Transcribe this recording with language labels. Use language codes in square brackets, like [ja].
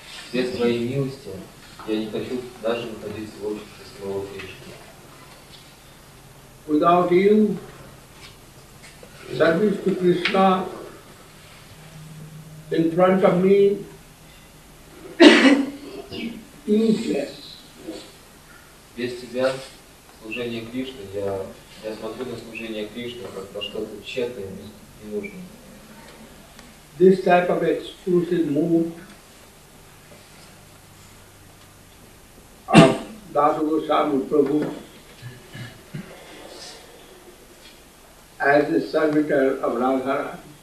[ru] Без твоей милости я не хочу даже находиться в обществе самого Кришны. [en] Without you, service to Krishna in front of me useless. [ru] Без тебя служение Кришне, я смотрю на служение Кришне как на что-то тщетное и ненужное. [en] This type of exclusive mood of Dasa Goswami Prabhu as a servitor of Radharani.